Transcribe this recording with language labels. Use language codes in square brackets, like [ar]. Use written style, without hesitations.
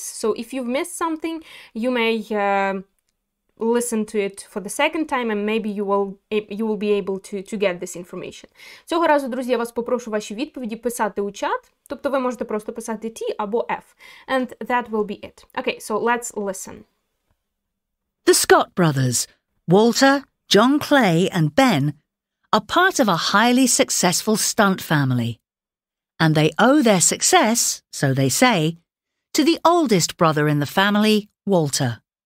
[en] So if you've missed something, you may listen to it for the second time and maybe you will be able to get this information. [uk] Цього разу, друзі, я вас попрошу ваші відповіді писати у чат. Тобто ви можете просто писати T або F. [en] And that will be it. Okay, so let's listen. The Scott brothers, Walter, John Clay and Ben, are part of a highly successful stunt family. And they owe their success, so they say, to the oldest brother in the family, Walter.